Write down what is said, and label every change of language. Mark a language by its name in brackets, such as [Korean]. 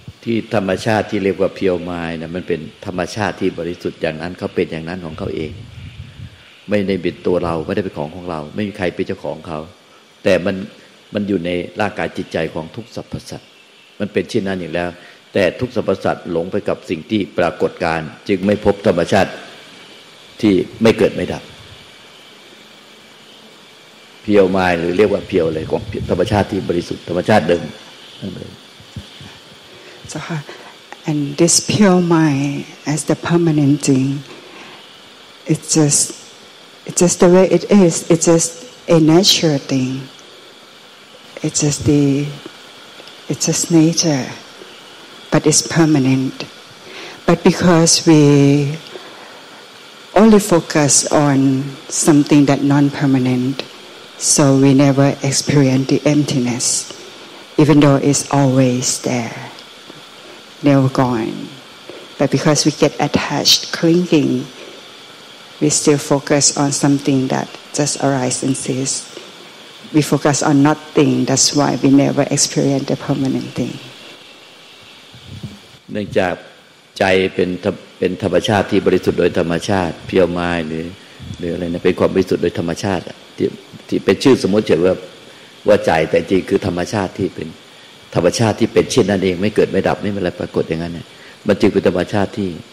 [Thai] ที่ธรรมชาติที่เรียกว่า pure mind นะมันเป็นธรรมชาติที่บริสุทธิ์อย่างนั้นเขาเป็นอย่างนั้นของเขาเองไม่ได้เป็นตัวเราไม่ได้เป็นของของเราไม่มีใครเป็นเจ้าของเขาแต่มันอยู่ในร่างกายจิตใจของทุกสรรพสัตว์มันเป็นเช่นนั้นอย่างแล้วแต่ทุกสรรพสัตว์หลงไปกับสิ่งที่ปรากฏการจึงไม่พบธรรมชาติที่ไม่เกิดไม่ดับเพียวมายหรือเรียกว่าเพียวเลยของธรรมชาติที่บริสุทธิ์ธรรมชาติเดิมนั่นเอง [English] so and this pure mind as the permanent thing it's just the way it is. It's just a natural thing. It's just nature, but it's permanent. But because we only focus on something that non-permanent, so we never experience the emptiness, even though it's always there, never gone. But because we get attached, clinging,We still focus on something that just arises and ceases. We focus on nothing. That's why we never experience the permanent thing. [Thai] เนื่องจากใจเป็นธรรมชาติที่บริสุทธิ์โดยธรรมชาติเพียวไม้หรืออะไรนะเป็นความบริสุทธิ์โดยธรรมชาติที่เป็นชื่อสมมติเฉยว่าใจแต่จริงคือธรรมชาติที่เป็นธรรมชาติที่เป็นเช่นนั้นเองไม่เกิดไม่ดับไม่มีอะไรปรากฏอย่างนั้นเนี่ยมันจึงเป็นธรรมชาติที่